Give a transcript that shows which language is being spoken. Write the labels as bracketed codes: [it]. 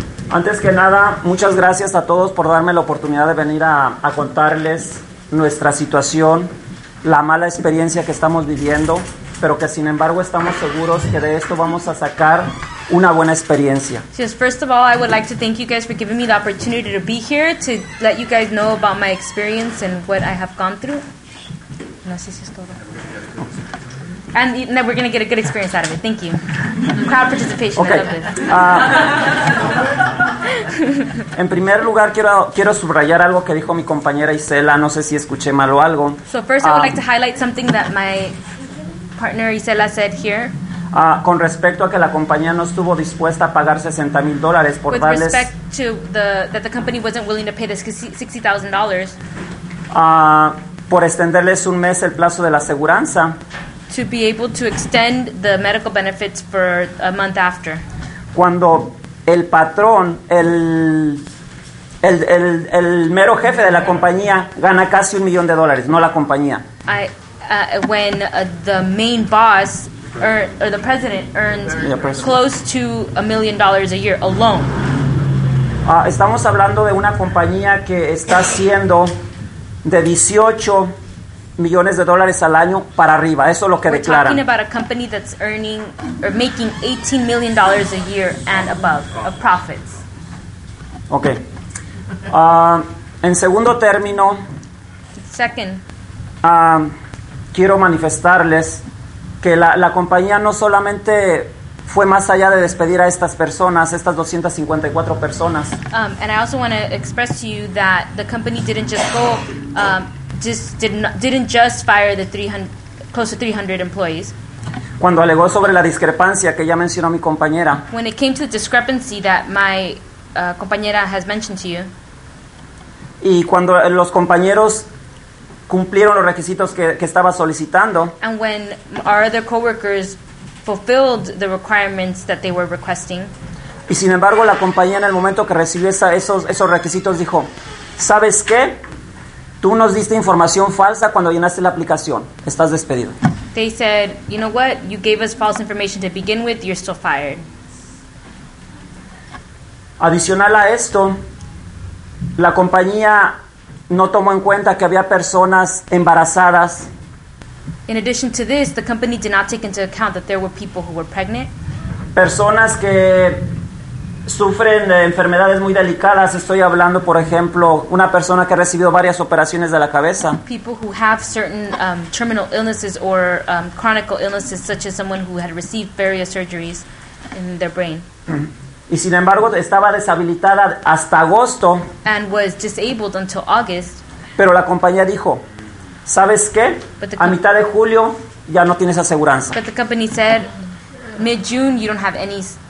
[es] Antes que nada, muchas gracias a todos por darme la oportunidad de venir a contarles nuestra situación, la mala experiencia que estamos viviendo, pero que sin embargo estamos seguros que de esto vamos a sacar una buena experiencia. [en] Yes, first of all, I would like to thank you guys for giving me the opportunity to be here to let you guys know about my experience and what I have gone through. [es] No sé si es todo. [en] And that we're going to get a good experience out of it. Thank you. Crowd participation. Okay. I love this. [es] En primer lugar, quiero subrayar algo que dijo mi compañera Isela. No sé si escuché mal o algo. [en] So first I would like to highlight something that my partner Isela said here. [es] Con respecto a que la compañía no estuvo dispuesta a pagar $60,000 por [en] with [es] darles... [en] With respect to that the company wasn't willing to pay this $60,000. [es] Por extenderles un mes el plazo de la aseguranza. [en] To be able to extend the medical benefits for a month after. [es] Cuando el patrón, el mero jefe de la compañía gana casi $1,000,000, no la compañía. [en] When the main boss or the president earns close to $1,000,000 a year alone. [es] Estamos hablando de una compañía que está siendo de 18 millones de dólares al año para arriba. Eso es lo que [en] we're [es] declaran. [en] We're talking about a company that's earning or making $18 million a year and above of profits. [es] Okay. En segundo término, [en] second, [es] quiero manifestarles que la compañía no solamente fue más allá de despedir a estas personas, estas 254 personas. [en] And I also want to express to you that the company didn't just go... didn't just fire the 300, close to 300 employees. [es] Cuando alegó sobre la discrepancia que ya mencionó mi compañera. [en] When it came to the discrepancy that my compañera has mentioned to you. [es] Y cuando los compañeros cumplieron los requisitos que estaba solicitando. [en] And when our other coworkers fulfilled the requirements that they were requesting. [es] Y sin embargo la compañía en el momento que recibió esos requisitos dijo, ¿sabes qué? Tú nos diste información falsa cuando llenaste la aplicación. Estás despedido. [en] They said, you know what? You gave us false information to begin with. You're still fired. [es] Adicional a esto, la compañía no tomó en cuenta que había personas embarazadas. [en] In addition to this, the company did not take into account that there were people who were pregnant. [es] Personas que sufren de enfermedades muy delicadas. Estoy hablando, por ejemplo, una persona que ha recibido varias operaciones de la cabeza. [en] People who have certain terminal illnesses or chronic illnesses, such as someone who had received various surgeries in their brain. [es] Y sin embargo, estaba deshabilitada hasta agosto. [en] And was disabled until August. [es] Pero la compañía dijo, ¿sabes qué? A mitad de julio ya no tienes aseguranza. [en] But the company said, mid-June you don't have any...